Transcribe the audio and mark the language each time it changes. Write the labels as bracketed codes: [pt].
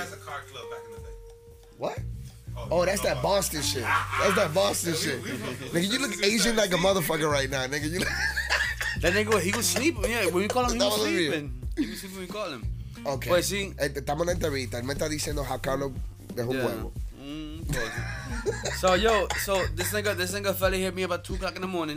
[en] Has a car club back in the day. What? Oh that's that Boston shit. That's that Boston shit. Nigga, you look Asian like a motherfucker right now, nigga. You. That nigga, he was sleeping. Yeah, when you call him, he was sleeping. He was sleeping when you call him. [es] Ok. Pues sí. Estamos en la entrevista. Él me está diciendo jacarlo de un huevo. [en] So yo, so this nigga fella hit me about 2 o'clock in the morning.